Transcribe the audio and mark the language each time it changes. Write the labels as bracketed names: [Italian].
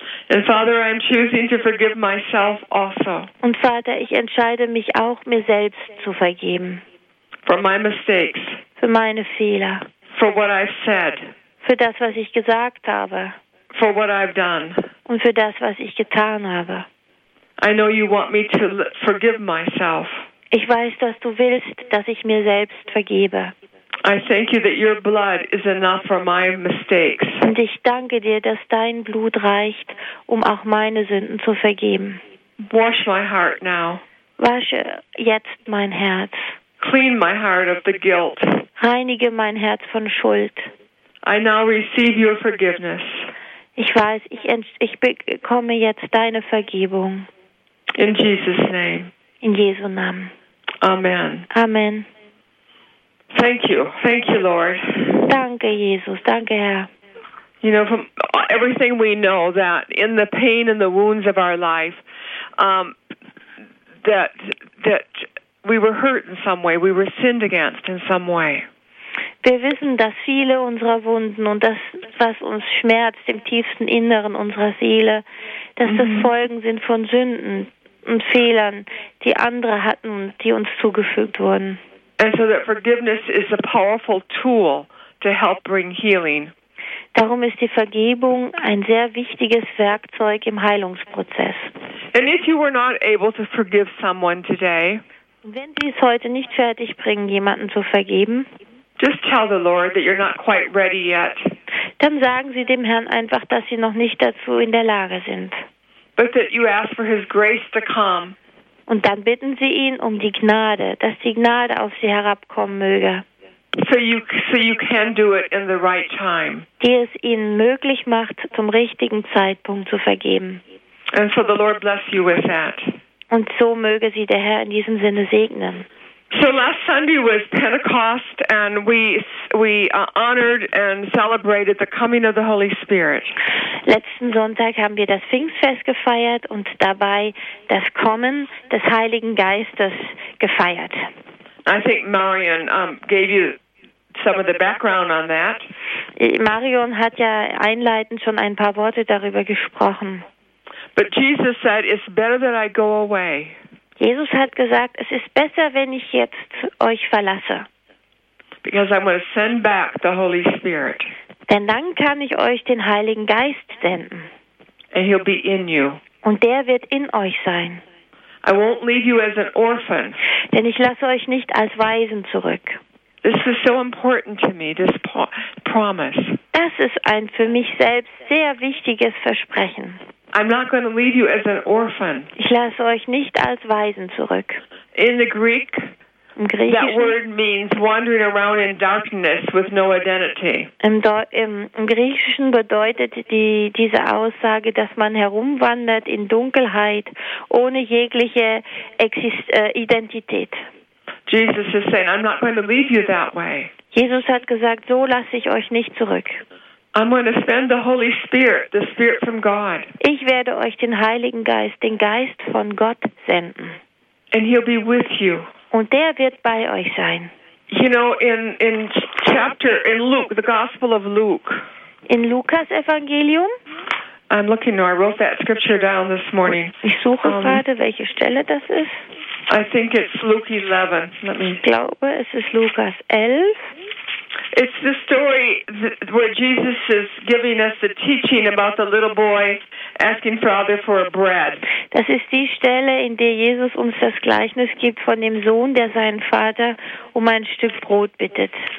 [English] And Father, I'm choosing to forgive myself also. [German] Und Vater, ich entscheide mich auch, mir selbst zu vergeben. [English] For my mistakes. [German] Für meine Fehler. [English] For what I've said. [German] Für das, was ich gesagt habe. [English] For what I've done. [German] Und für das, was ich getan habe. [English] I know you want me to forgive myself. [German] Ich weiß, dass du willst, dass ich mir selbst vergebe. [English] I thank you that your blood is enough for my mistakes. [German] Und ich danke dir, dass dein Blut reicht, um auch meine Sünden zu vergeben. [English] Wash my heart now. [German] Wasche jetzt mein Herz. [English] Clean my heart of the guilt. [German] Reinige mein Herz von Schuld. [English] I now receive your forgiveness. [German] Ich weiß, ich bekomme jetzt deine Vergebung. [English] In Jesus' name. [German] In Jesu Namen. [English] Amen. [German] Amen. [English] Thank you, Lord. [German] Danke, Jesus. Danke, Herr. [English] You know, from everything we know, that in the pain and the wounds of our life, that we were hurt in some way, we were sinned against in some way. [German] Wir wissen, dass viele unserer Wunden und das, was uns schmerzt im tiefsten Inneren unserer Seele, dass das Folgen sind von Sünden und Fehlern, die andere hatten und die uns zugefügt wurden. [English] And so that forgiveness is a powerful tool to help bring healing. [German] Darum ist die Vergebung ein sehr wichtiges Werkzeug im Heilungsprozess. [English] And if you were not able to forgive someone today, [German] wenn Sie es heute nicht fertig bringen, jemanden zu vergeben, [English] just tell the Lord that you're not quite ready yet. [German] Dann sagen Sie dem Herrn einfach, dass Sie noch nicht dazu in der Lage sind. [English] But that you ask for His grace to come. [German] Und dann bitten Sie ihn um die Gnade, dass die Gnade auf Sie herabkommen möge. [English] So you can do it in the right time. [German] Die es Ihnen möglich macht, zum richtigen Zeitpunkt zu vergeben. [English] And so the Lord bless you with that. [German] Und so möge Sie der Herr in diesem Sinne segnen. [English] So last Sunday was Pentecost and we honored and celebrated the coming of the Holy Spirit. [German] Letzten Sonntag haben wir das Pfingstfest gefeiert und dabei das Kommen des Heiligen Geistes gefeiert. [English] I think Marion gave you some of the background on that. [German] Marion hat ja einleitend schon ein paar Worte darüber gesprochen. [English] But Jesus said, it's better that I go away. [German] Jesus hat gesagt, es ist besser, wenn ich jetzt euch verlasse. [English] Because I'm going to send back the Holy Spirit. [German] Denn dann kann ich euch den Heiligen Geist senden. [English] And he'll be in you. [German] Und der wird in euch sein. [English] I won't leave you as an orphan. [German] Denn ich lasse euch nicht als Waisen zurück. [English] This is so important to me, this promise. [German] Das ist ein für mich selbst sehr wichtiges Versprechen. [English] I'm not going to leave you as an orphan. [German] Ich lasse euch nicht als Waisen zurück. [English] In the Greek, [German] im Griechischen, [English] that word means wandering around in darkness with no identity. [German] Im Griechischen bedeutet diese Aussage, dass man herumwandert in Dunkelheit ohne jegliche Identität. [English] Jesus is saying, I'm not going to leave you that way. [German] Jesus hat gesagt, so lasse ich euch nicht zurück. [English] I'm going to send the Holy Spirit, the Spirit from God. [German] Ich werde euch den Heiligen Geist, den Geist von Gott senden. [English] And he'll be with you. [German] Und der wird bei euch sein. [English] You know, in Luke, the Gospel of Luke. [German] In Lukas Evangelium. [English] I'm looking now. I wrote that scripture down this morning. [German] Ich suche gerade, welche Stelle das ist. [English] I think it's Luke 11. Let me. [German] Ich glaube, es ist Lukas 11. [English] It's the story where Jesus is giving us the teaching about the little boy asking Father for a bread. [German] Das ist die Stelle, in der Jesus uns das Gleichnis gibt von dem Sohn, der seinen Vater um ein Stück Brot bittet.